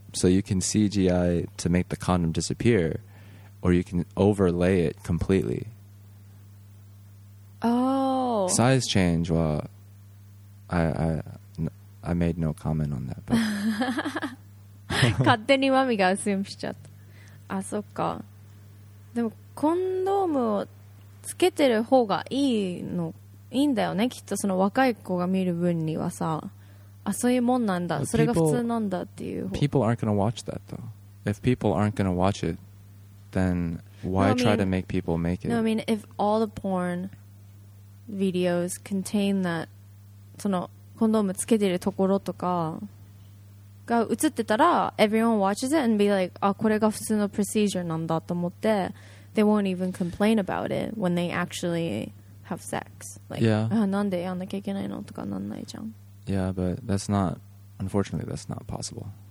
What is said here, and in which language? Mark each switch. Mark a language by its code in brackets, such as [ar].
[en] So you can CGI to make the condom disappear, or you can overlay it completely. Oh. Size change はI made no comment on that. [ja] 勝手にマミがアスームしちゃった。あ、そっか。でもコンドームをつけてる方がいいの、いいんだよね。きっとその若い子が見る分にはさ、あ、そういうもんなんだ。それが普通なんだっていう。 [en] People aren't gonna watch that though. If people aren't gonna watch it, then why try to make people make it? No, I mean if all the porn videos contain that. [ja] そのコンドームつけてるところとかが映ってたら [en] everyone watches it and be like [ja] あこれが普通の [en] procedure [ja] なんだと思って [en] they won't even complain about it when they actually have sex like、 yeah. [ja] なんでやんなきゃいけないのとかなんないじゃん [en] yeah but that's not unfortunately that's not possible、